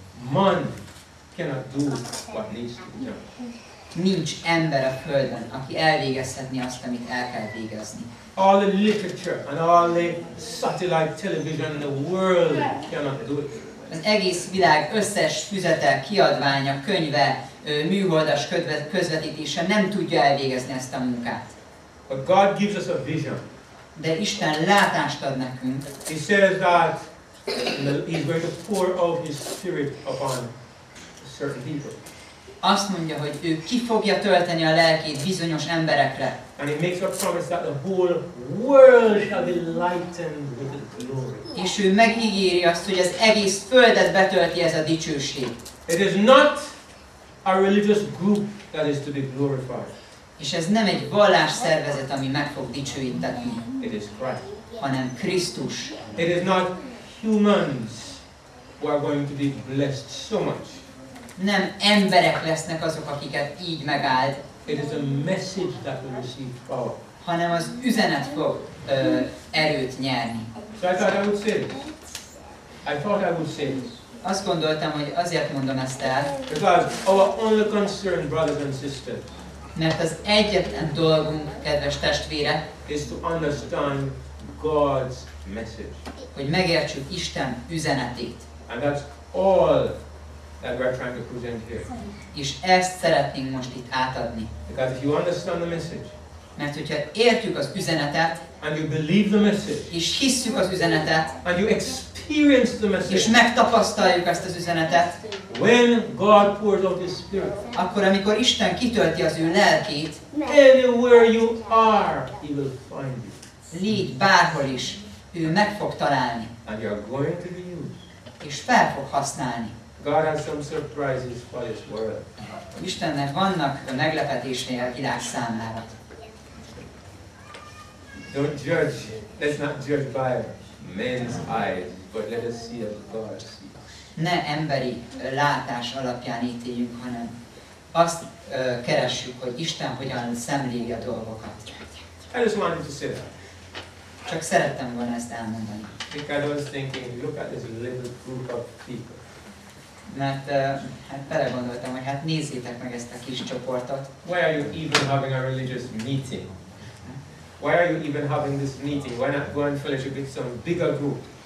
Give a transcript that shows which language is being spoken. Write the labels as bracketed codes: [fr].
[en] Man cannot do what needs to be done. [hu] Nincs ember a Földön, aki elvégezhetni azt, amit el kell végezni. [en] All the literature and all the satellite television in the world cannot do it. [hu] Az egész világ összes füzete, kiadványa, könyve, műholdas közvetítése nem tudja elvégezni ezt a munkát. [en] But God gives us a vision. [hu] De Isten látást ad nekünk. [en] He says that he's going to pour out his spirit upon certain people. [hu] Azt mondja, hogy ő ki fogja tölteni a lelkét bizonyos emberekre. [en] And he makes a promise that the whole world shall be lightened with his glory. [hu] És ő megígéri azt, hogy az egész földet betölti ez a dicsőség. [en] It is not a religious group that is to be glorified. [hu] És ez nem egy vallásszervezet, ami meg fog dicsőíteni. [en] It is Christ. [hu] Hanem Krisztus. [en] It is not humans who are going to be blessed so much. [hu] Nem emberek lesznek azok, akiket így megáld. [en] It is a message that will receive power. [hu] Hanem az üzenet fog erőt nyerni. [en] So I thought I would say this. I thought I would say this. [hu] Azt gondoltam, hogy azért mondom ezt el. [en] Because our only concern, brothers and sisters, [hu] mert az egyetlen dolgunk, kedves testvére, [en] is to understand God's message. [hu] Hogy megértsük Isten üzenetét. [en] And that's all that we're trying to present here. [hu] És ezt szeretnénk most itt átadni. [en] Because if you understand the message, [hu] mert hogyha értjük az üzenetet, [en] and you believe the message, [hu] és hisszük az üzenetet, [en] and you experience the message, [hu] és megtapasztaljuk ezt az üzenetet, [en] when God pours out His Spirit, [hu] akkor amikor Isten kitölti az ő lelkét, [en] anywhere you are, He will find you. [hu] Légy bárhol is, ő meg fog találni. [en] And you are going to be used. [hu] És fel fog használni. [en] God has some surprises for this world. [hu] Istennek vannak meglepetései a világ számára. [en] Don't judge. Let's not judge by men's eyes, but let us see as God sees. [hu] Ne emberi látás alapján ítéljük, hanem azt keressük, hogy Isten hogyan szemléli a dolgokat. [en] I just wanted to say that. [hu] Csak szerettem volna ezt elmondani. [en] Because I was thinking, look at this little group of people. [hu] Mert hát belegondoltam, hogy hát nézzétek meg ezt a kis csoportot. [en] Why are you even having a religious meeting? Why are you even having this meeting? Why not go and fellowship with some bigger group?